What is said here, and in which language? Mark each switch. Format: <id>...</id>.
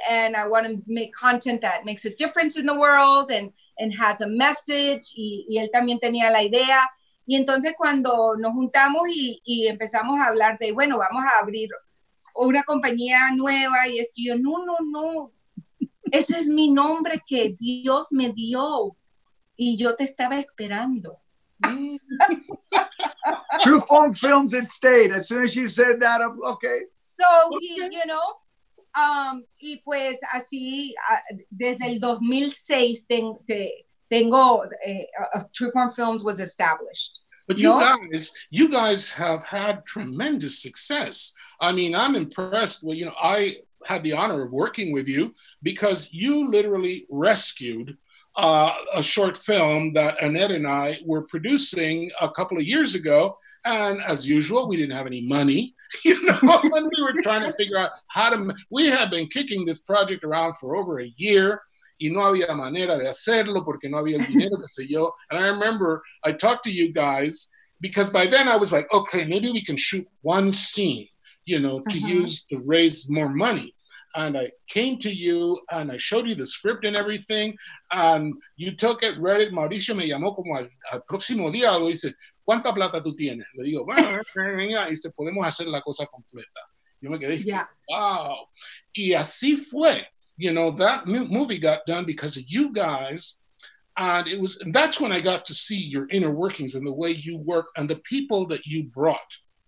<en>And I want to make content that makes a difference in the world and has a message.</en> <es>Y él también tenía la idea. Y entonces cuando nos juntamos y empezamos a hablar de, bueno, vamos a abrir una compañía nueva. Y es que yo, no. Ese es mi nombre que Dios me dio y yo te estaba esperando.</es> <en>True form films and stayed. As soon as she said that, I'm okay. So, you know,</en> <es>y pues así, desde el 2006, tengo,</es> <en>True form films was established. But you guys have had tremendous success. I mean, I'm impressed. Well, you know, I had the honor of working with you because you literally rescued a short film that Annette and I were producing a couple of years ago. And as usual, we didn't have any money, you know, and we were trying to figure out we had been kicking this project around for over a year.</en> <es>Y no había manera de hacerlo porque no había dinero, que sé yo.</es> <en>And I remember I talked to you guys because by then I was like, okay, maybe we can shoot one scene, you know, to use to raise more money. And I came to you and I showed you the script and everything. And you took it, read it. Mauricio</en> <es>me llamó como al próximo día. Algo y dice, ¿cuánta plata tú tienes? Le digo, bueno, y dice, podemos hacer la cosa completa. Yo me quedé, wow. Y así fue.</es> <en>You know, that movie got done because of you guys. And it was, that's when I got to see your inner workings and the way you work and the people that you brought.</en>